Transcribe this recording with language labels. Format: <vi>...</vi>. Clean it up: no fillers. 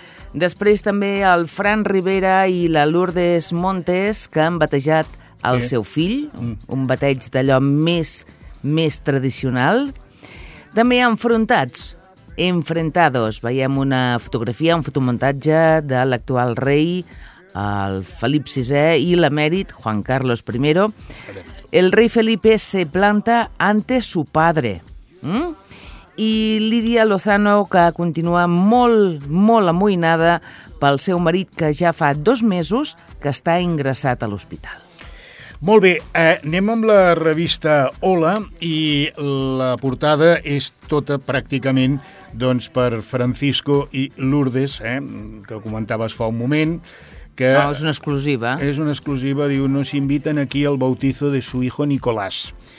<ca>Després també el Fran Rivera i la Lourdes Montes, que han batejat el seu fill, un bateig d'allò més tradicional. També enfrontats, enfrentados. Veiem una fotografia, un fotomuntatge de l'actual rei, el Felip VI i l'emèrit Juan Carlos I.</ca> <es>El rei Felipe se planta ante su padre.</es> <ca>I Lídia Lozano, que continua molt, molt amoïnada pel seu marit, que ja fa 2 mesos que està ingressat a l'hospital. Molt bé, anem amb la revista Hola, i la portada és tota pràcticament, doncs, per Francisco i Lourdes, que comentaves fa un moment. Que és una exclusiva. És una exclusiva, diu:</ca> <es>"Nos inviten aquí al bautizo de su hijo Nicolás".</es>